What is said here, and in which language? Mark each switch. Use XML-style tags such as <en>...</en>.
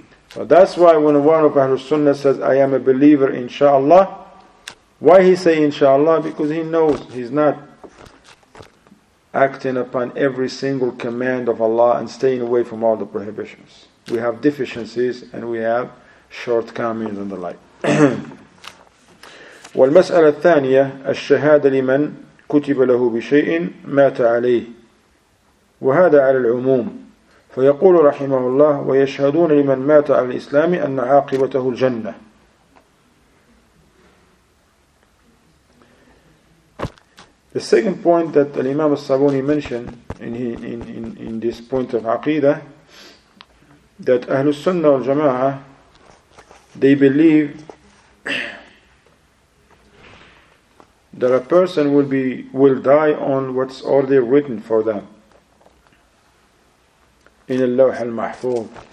<en>So that's why when one of Ahlul Sunnah says, I am a believer, inshallah, why he say inshallah? Because he knows he's not acting upon every single command of Allah and staying away from all the prohibitions. We have deficiencies and we have shortcomings and the like.</en> <ar>والمسألة الثانية الشهادة لمن كتب له بشيء مات عليه وهذا على العموم فيقول رحمه الله ويشهدون لمن مات على الإسلام أن عاقبته الجنة.</ar> <en>The second point that Imam al-Sabuni mentioned in this point of Aqidah, that Ahlul Sunnah al-Jama'ah, they believe that a person will die on what's already written for them in al-Lawh al-Mahfuz.</en>